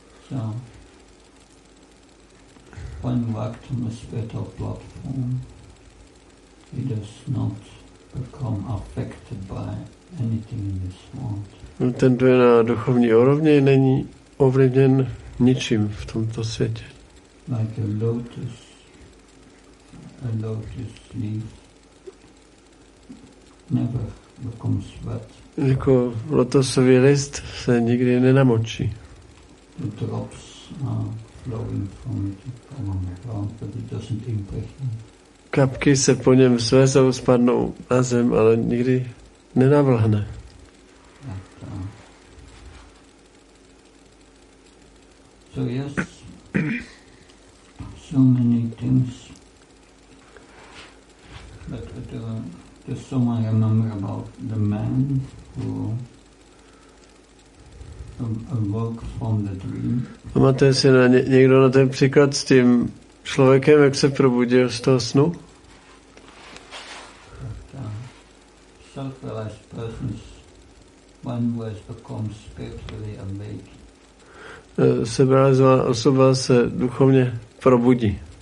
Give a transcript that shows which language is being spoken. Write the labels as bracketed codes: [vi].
[en] So when worked on the spiritual platform, he does not become affected by anything in this world. [cs] Ten, kdo je na duchovní úrovni, není ovlivněn ničím v tomto světě. [en] Like a lotus leaf never becomes wet. [cs] Jako lotosový list se nikdy nenamočí. [en] The drops are flowing from it on the ground, but it doesn't impregnate. [cs] Kapky se po něm svezou, spadnou na zem, ale nikdy nenavlhne. [en] So yes, so many things, but there's someone I remember about the man who awoke from the dream. [cs] Pamatuje si na někdo na ten příklad s tím člověkem, jak se probudil z toho snu? [en] But, self-realized persons, one who has become spiritually awake. [cs] Sebrealizovaná osoba se duchovně probudí.